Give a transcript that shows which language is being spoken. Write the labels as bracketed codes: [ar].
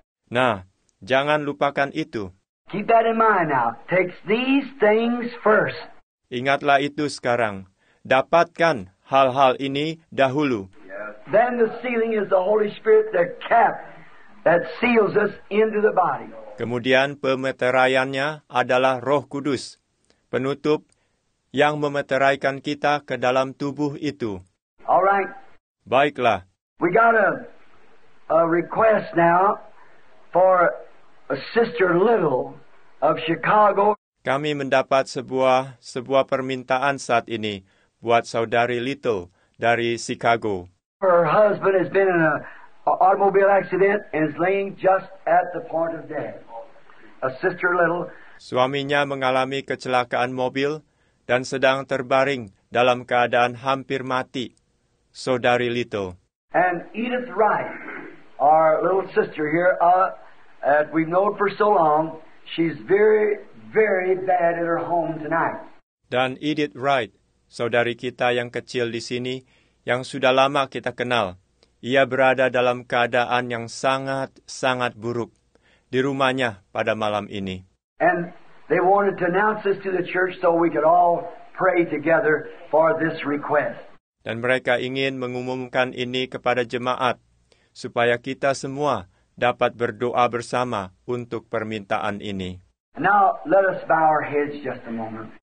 [id] Nah, jangan lupakan itu. [en] Keep that in mind now. Take these things first. [id] Ingatlah itu sekarang. Dapatkan hal-hal ini dahulu. [en] Then the sealing is the Holy Spirit, the cap that seals us into the body. [id] Kemudian pemeteraiannya adalah Roh Kudus, penutup yang memeteraikan kita ke dalam tubuh itu. [en] All right. [id] Baiklah. [en] We got a request now for a Sister Little of Chicago. [id] Kami mendapat sebuah permintaan saat ini buat saudari Little dari Chicago. [en] Her husband has been in an automobile accident and is laying just at the point of death. A Sister Little. [id] Suaminya mengalami kecelakaan mobil dan sedang terbaring dalam keadaan hampir mati. Saudari Little. [en] And Edith Wright, our little sister here, that we've known for so long, she's very, very bad at her home tonight. [id] Dan Edith Wright, saudari kita yang kecil di sini, yang sudah lama kita kenal, ia berada dalam keadaan yang sangat-sangat buruk di rumahnya pada malam ini. [en] And they wanted to announce this to the church so we could all pray together for this request. [id] Dan mereka ingin mengumumkan ini kepada jemaat supaya kita semua dapat berdoa bersama untuk permintaan ini. [en] Now let us bow our heads just a moment.